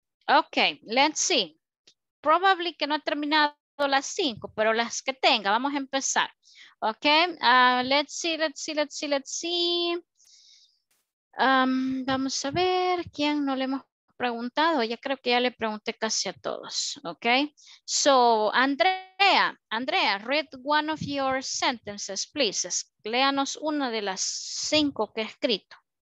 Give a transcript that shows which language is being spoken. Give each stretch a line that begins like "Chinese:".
Spanish: Okay, let's see. Probably que no ha terminado. listo las cinco, pero las que tenga, vamos a empezar. Ok, let's see. Vamos a ver quién no le hemos preguntado. Ya creo que ya le pregunté casi a todos.
English: Ok, so Andrea, read one of your sentences, please.
Spanish: Léanos una de las cinco que he escrito.